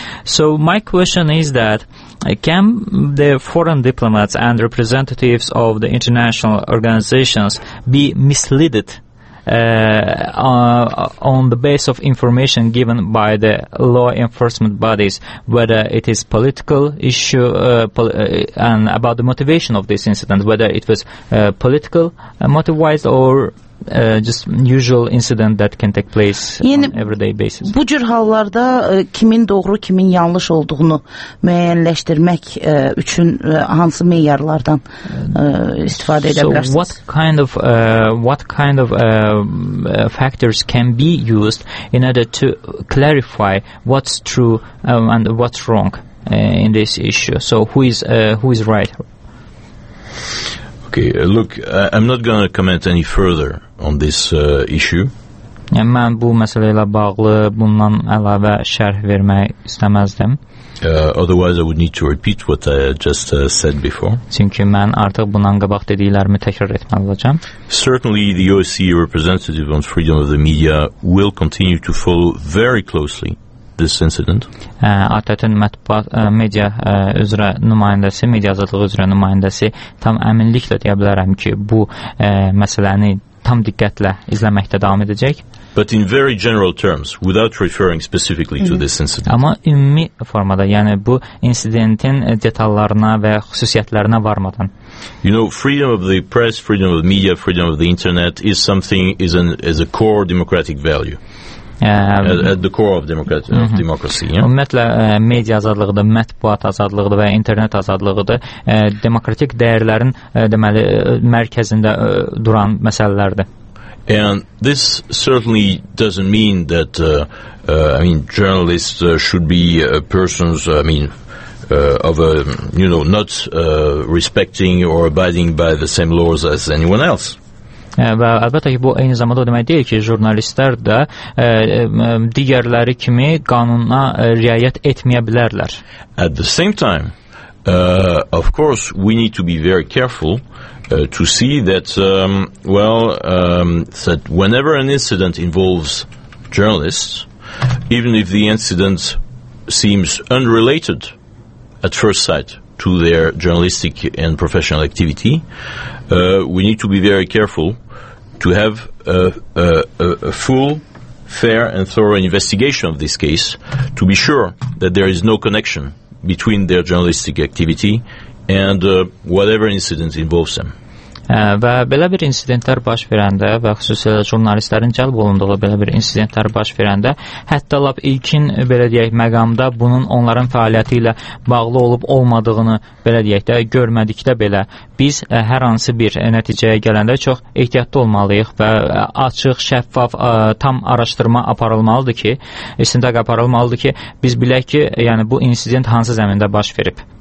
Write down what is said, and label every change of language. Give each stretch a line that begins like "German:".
English: So my question is that, can the foreign diplomats and representatives of the international organizations be misled on the basis of information given by the law enforcement bodies, whether it is political issue and about the motivation of this incident, whether it was political motivated or just usual incident that can take place
Azerbaijani: yəni,
English: on everyday basis.
Azerbaijani: Bu cür hallarda kimin doğru, kimin yanlış olduğunu müəyyənləşdirmək üçün hansı meyarlardan istifadə edə bilərsiniz?
English: So what kind of factors can be used in order to clarify what's true and what's wrong in this issue? So who is right? Okay, look, I'm not going to comment any further on this issue.
Azerbaijani: Yəni, mən bu məsələ ilə bağlı bundan əlavə şərh vermək istəməzdim.
English: Otherwise, I would need to repeat what I just said before.
Azerbaijani: Çünki mən artıq bundan qabaq dediklərimi təkrar etməli olacağım.
English: Certainly, the OSCE representative on freedom of the media will continue to follow very closely this incident.
Azerbaijani: ATƏT-in mətbuat media üzrə nümayəndəsi, media azadlığı üzrə nümayəndəsi tam əminliklə deyə bilərəm ki, bu məsələni tam diqqətlə izləməkdə davam edəcək.
English: But in very general terms, without referring specifically to this incident.
Azerbaijani: Amma ümumi formada, yəni bu insidentin detallarına və xüsusiyyətlərinə varmadan.
English: You know, freedom of the press, freedom of the media, freedom of the internet is something, is a core democratic value. At the core of democracy. Yeah?
Azerbaijani: Ümumiyyətlə, media azadlığıdır, mətbuat azadlığıdır və internet azadlığıdır. Demokratik dəyərlərin deməli, mərkəzində duran məsələlərdir.
English: And this certainly doesn't mean that journalists should be persons respecting or abiding by the same laws as anyone else.
Azerbaijani: Və əlbəttə ki, bu eyni zamanda o demək deyil ki, jurnalistlər də digərləri kimi qanuna riayət etməyə bilərlər.
English: At the same time, of course, we need to be very careful to see that, that whenever an incident involves journalists, even if the incident seems unrelated at first sight to their journalistic and professional activity, we need to be very careful to have a full, fair and thorough investigation of this case to be sure that there is no connection between their journalistic activity and whatever incident involves them.
Azerbaijani: Və belə bir insidentlər baş verəndə və xüsusilə jurnalistlərin cəlb olunduğu belə bir insidentlər baş verəndə hətta lap ilkin belə deyək, məqamda bunun onların fəaliyyəti ilə bağlı olub-olmadığını belə deyək, də, görmədikdə belə biz hər hansı bir nəticəyə gələndə çox ehtiyatlı olmalıyıq və açıq, şəffaf, tam araşdırma aparılmalıdır ki, istintaq aparılmalıdır ki, biz bilək ki, yəni bu insident hansı zəmində baş verib.